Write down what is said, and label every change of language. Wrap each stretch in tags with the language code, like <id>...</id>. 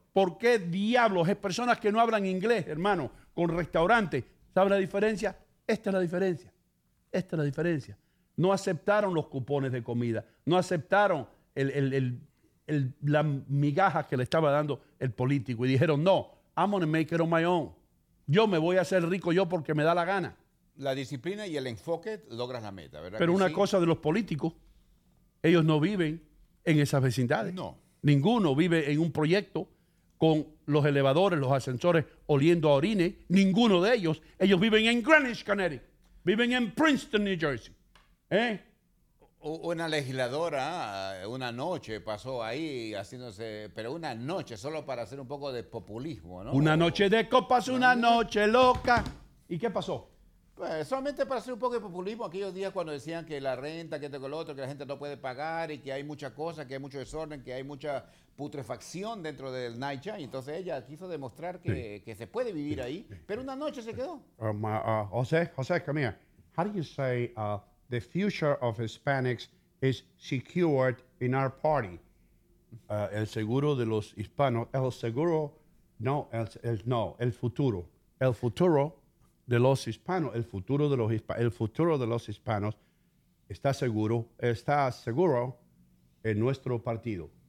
<es>¿Por qué diablos? Es personas que no hablan inglés, hermano, con restaurantes. ¿Sabes la diferencia? Esta es la diferencia. Esta es la diferencia. No aceptaron los cupones de comida. No aceptaron la migaja que le estaba dando el político. Y dijeron, no,</es> <en>I'm gonna make it on my own.</en> <es>Yo me voy a hacer rico yo porque me da la gana. La disciplina y el enfoque logras la meta, ¿verdad? Pero una cosa de los políticos, ellos no viven en esas vecindades. No. Ninguno vive en un proyecto con los elevadores, los ascensores, oliendo a orines. Ninguno de ellos. Ellos viven en Greenwich, Connecticut. Viven en Princeton, New Jersey. ¿Eh? Una legisladora una noche pasó ahí haciéndose, pero una noche solo para hacer un poco de populismo, ¿no? Una noche de copas, una noche loca. ¿Y qué pasó? Pues solamente para hacer un poco de populismo aquellos días cuando decían que la renta, que esto con lo otro, que la gente no puede pagar y que hay muchas cosas, que hay mucho desorden, que hay mucha putrefacción dentro del NYCHA. Y entonces ella quiso demostrar que se puede vivir ahí, pero una noche se quedó.</es> <en>José, come here. How do you say the future of Hispanics is secured in our party?</en> <es>El seguro de los hispanos, el seguro, no, el futuro. El futuro de los hispanos, está seguro, en nuestro partido.</es>